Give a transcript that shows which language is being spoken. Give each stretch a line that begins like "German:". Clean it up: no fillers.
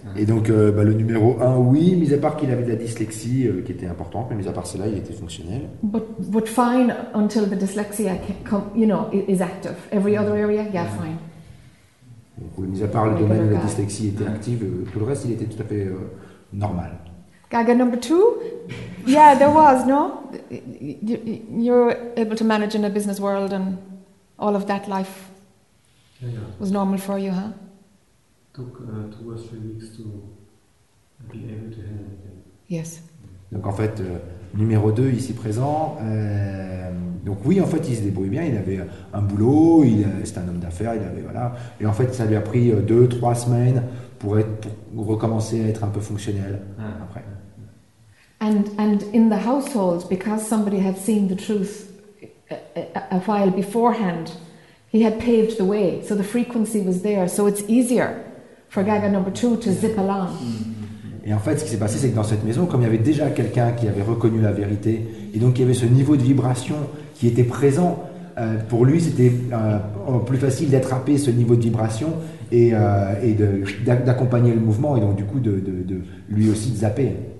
French: Et donc le numéro 1, oui, mis à part qu'il avait de la dyslexie qui était importante, mais mis à part cela, il était fonctionnel.
English: But fine until the dyslexia come, you know, is active. Every other area, yeah, fine.
French: Donc, mis à part le domaine où la dyslexie était active, tout le reste, il était tout à fait normal.
English: Gaga number 2, yeah, there was, no? You're able to manage in a business world and all of that life. Yeah. Was normal for you, huh? Took 2 or 3 weeks to be able to handle it. Yes.
French: Donc en fait, numéro 2 ici présent. Donc oui, en fait, il se débrouille bien. Il avait un boulot. C'était un homme d'affaires. Il avait voilà. Et en fait, ça lui a pris 2-3 semaines pour recommencer à être un peu fonctionnel après.
English: And in the household, because somebody had seen the truth a while beforehand. He had paved the way, so the frequency was there, so it's easier for Gaga number 2 to zip along.
French: Et en fait, ce qui s'est passé, c'est que dans cette maison, comme il y avait déjà quelqu'un qui avait reconnu la vérité, et donc il y avait ce niveau de vibration qui était présent, pour lui, c'était plus facile d'attraper ce niveau de vibration et d'accompagner le mouvement, et donc du coup, de lui aussi de zapper.